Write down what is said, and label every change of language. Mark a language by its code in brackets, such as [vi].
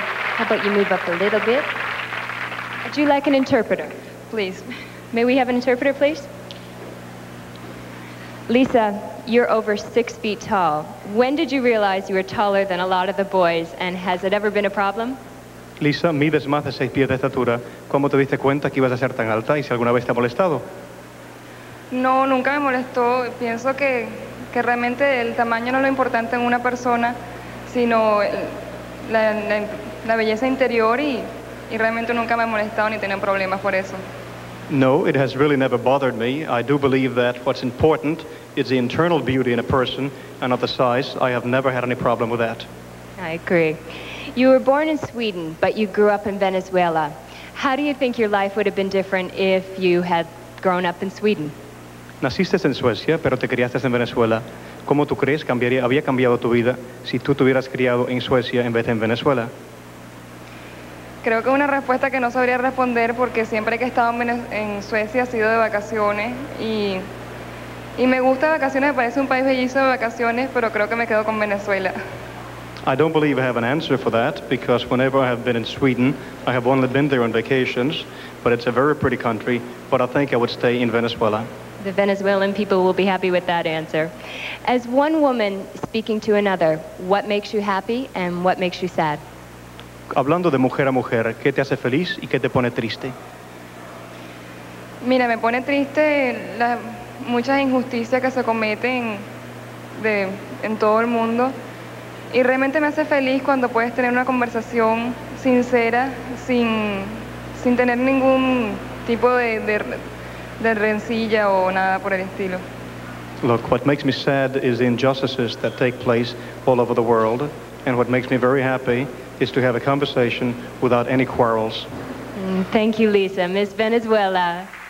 [en] How about you move up a little bit? Would you like an interpreter? Please. May we have an interpreter, please? Lisa, you're over 6 feet tall. When did you realize you were taller than a lot of the boys, and has it ever been a problem? [es] Lisa, mides más de 6 pies de estatura. ¿Cómo te diste cuenta que ibas a ser tan alta y si alguna vez te ha molestado? No, nunca me molestó. Pienso que realmente el tamaño no es lo importante en una persona, sino la belleza interior y realmente nunca me ha molestado ni tenía problemas por eso. [en] No, it has really never bothered me. I do believe that what's important is the internal beauty in a person and not the size. I have never had any problem with that. I agree. You were born in Sweden, but you grew up in Venezuela. How do you think your life would have been different if you had grown up in Sweden? [es] Naciste en Suecia, pero te criaste en Venezuela. ¿Cómo tú crees cambiaría, había cambiado tu vida si tú te hubieras criado en Suecia en vez de en Venezuela? Creo que es una respuesta que no sabría responder porque siempre que he estado en Suecia ha sido de vacaciones y me gusta vacaciones, me parece un país bellísimo de vacaciones, pero creo que me quedo con Venezuela. [en] I don't believe I have an answer for that because whenever I have been in Sweden, I have only been there on vacations, but it's a very pretty country, but I think I would stay in Venezuela. The Venezuelan people will be happy with that answer. As one woman speaking to another, what makes you happy and what makes you sad? [es] Hablando de mujer a mujer, ¿qué te hace feliz y qué te pone triste? Mira, me pone triste las muchas injusticias que se cometen en todo el mundo. Y realmente me hace feliz cuando puedes tener una conversación sincera, sin tener ningún tipo de rencilla o nada por el estilo. [en] Look, what makes me sad is the injustices that take place all over the world, and what makes me very happy is to have a conversation without any quarrels. Thank you, Lisa. Miss Venezuela.